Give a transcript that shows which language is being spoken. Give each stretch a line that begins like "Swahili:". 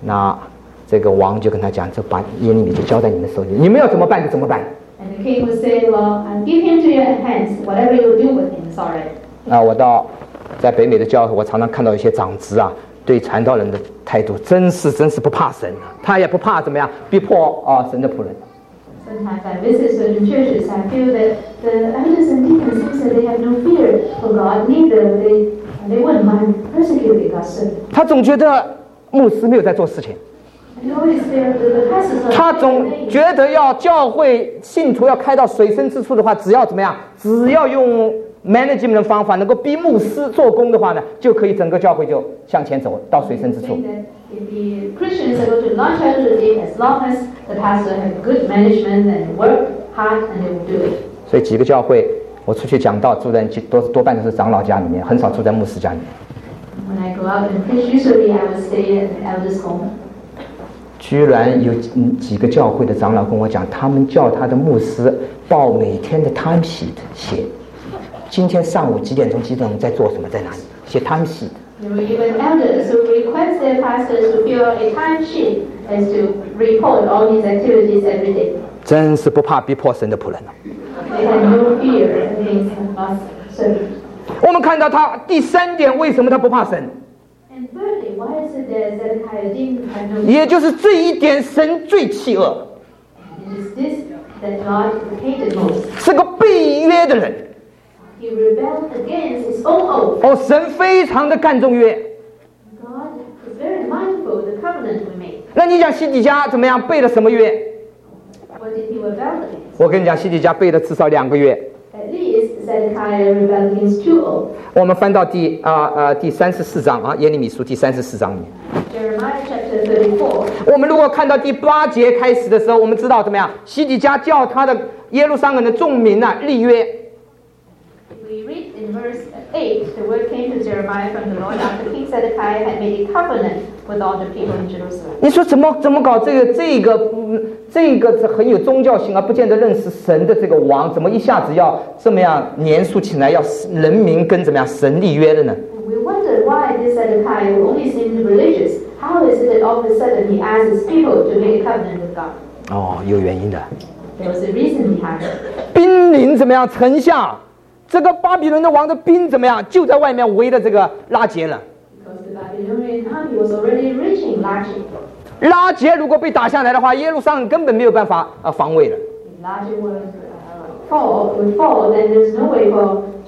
Chinese: 那这个王就跟他讲，就把耶利米就交在你们手里，你们要怎么办就怎么办。
English: And the king would say, "Well, I'm giving him to your hands. Whatever you do with him, sorry."
Chinese: 那我在北美的教会，我常常看到一些长子啊。对传道人的态度真是不怕神，他也不怕怎么样逼迫神的仆人。
English: Sometimes I visit certain churches, I feel that the elders and deacons say they have no fear for God, neither they wouldn't mind persecuting God's servant.
Chinese: 他总觉得牧师没有在做事情。
English: And always the pastors.
Chinese: 他总觉得要教会信徒要开到水深之处的话，只要怎么样，只要用。 management 的方法能够逼牧师做工的话呢，就可以整个教会就向前走到水深之处。
English: If the Christians are going to launch out the deep, as long as the pastor have good management and work hard, and they will do it.
Chinese: 所以几个教会我出去讲道，住在多半都是长老家里面，很少住在牧师家里面。
English: When I go out and preach, usually I will stay at the elder's home.
Chinese: 居然有几个教会的长老跟我讲，他们叫他的牧师报每天的 time sheet 写今天上午几点钟几点钟在做什么在哪里写 time sheet。
English: There were even elders who request their pastors to fill a time sheet and to report all his activities every day.
Chinese: 真是不怕逼迫神的仆人。
English: They had no fear against us servants.
Chinese: 我们看到他第三点，为什么他不怕神？
English: And thirdly, why is it that Zedekiah didn't have no fear?
Chinese: 也就是这一点神最弃恶。
English: It is this that God hated most.
Chinese: 是个背约的人。
English: He rebelled against his own oath.
Chinese: 哦，神非常的看重约。
English: God is very mindful of the covenant we made.
Chinese: 那你讲西底家怎么样？背了什么约？
English: What did he rebel against?
Chinese: 我跟你讲，西底家背了至少两个约。
English: At least Zedekiah rebelled against two oaths.
Chinese: 我们翻到第三十四章啊，耶利米书第三十四章里面。
English: 34,
Chinese: 我们如果看到第八节开始的时候，我们知道怎么样？西底家叫他的耶路撒冷的众民啊立约。
English: We read in verse 8, the word came to Jeremiah from the Lord after King Zedekiah had made a covenant with all the people in Jerusalem.
Chinese: 你说怎么搞这个很有宗教性啊，不见得认识神的这个王，怎么一下子要这么样严肃起来，要人民跟怎么样神立约了呢？
English: Why this Zedekiah only seemed religious? How is it that all of a sudden he asked his people to make a covenant with God?
Chinese: Oh, 有原因的。
English: There was a reason behind it.
Chinese: 兵临怎么样？城下，这个巴比伦的王的兵怎么样？就在外面围着这个拉结了。
English: Because the Babylonian army was already reaching Lachi.
Chinese: 拉结如果被打下来的话，耶路撒冷根本没有办法防卫了。
English: Lachi would fall, then there's no way for.